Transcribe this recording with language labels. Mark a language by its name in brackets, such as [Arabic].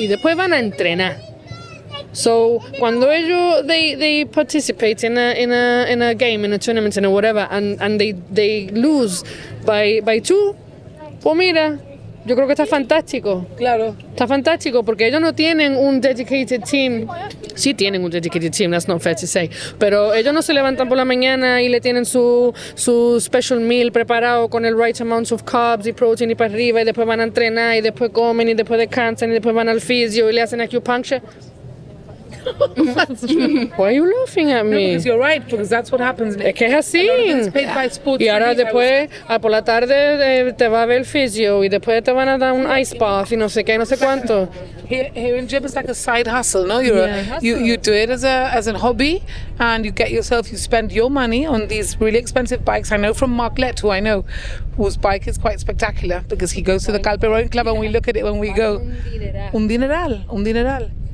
[Spanish] Y después van a entrenar. [English] So, [Spanish] cuando ellos, [English] they participate in a game, in a tournament, in a whatever, and they lose by two, [Spanish] pues mira, yo creo que está fantástico. Claro. Está fantástico porque ellos no tienen un [English] dedicated team. [Spanish] Sí tienen un [English] dedicated team, that's not fair to say. [Spanish] Pero ellos no se levantan por la mañana y le tienen su [English] special meal [Spanish] preparado con el [English] right amount of carbs [Spanish] y protein y para arriba y después van a entrenar y después comen y después descansan y después van al fisio y le hacen acupuncture. [English] Why are you laughing at me? No, because you're right, because that's what happens. [Spanish] Es que es así. [English] Paid by sports. [Spanish] Y ahora después, por la tarde, te va a ver el fisio, y después te van a dar un ice bath, y no sé qué, no sé cuánto. [English] Here in gym, it's like a side hustle, no? You do it as a hobby, and you get yourself, you spend your money on these really expensive bikes. I know from Mark Lett, who I know, whose bike is quite spectacular, because he goes to the Calperon Club, and we look at it when we go. [Spanish] Un dineral.